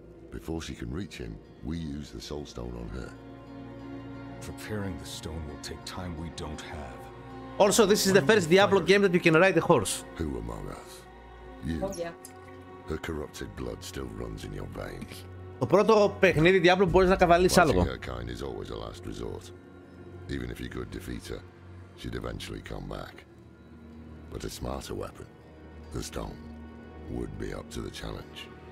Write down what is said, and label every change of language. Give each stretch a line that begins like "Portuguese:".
English: Before she can reach him, we use the soul stone on her. Preparing the stone will take time we don't have. Also, this is the first Diablo game that you can ride a horse. Who among us? You. Oh, yeah. Her corrupted blood still runs in your veins.
Greek: Το πρώτο παιχνίδι Diablo μπορείς να καβαλείς άλογο.
English: Kind is always a last resort. Even if you could defeat her, she'd eventually come back. But a smarter weapon, the stone, would be up to the challenge.